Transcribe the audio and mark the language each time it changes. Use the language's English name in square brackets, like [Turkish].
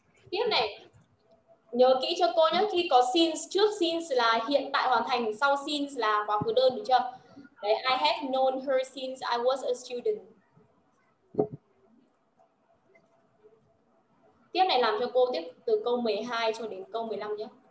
[Vietnamese] Tiếp này, nhớ kỹ cho cô nhé, khi có since trước, since là hiện tại hoàn thành, sau since là quá khứ đơn, được chưa? [English] Đấy, I have known her since I was a student. [Vietnamese] Tiếp này làm cho cô tiếp từ câu 12 cho đến câu 15 nhé.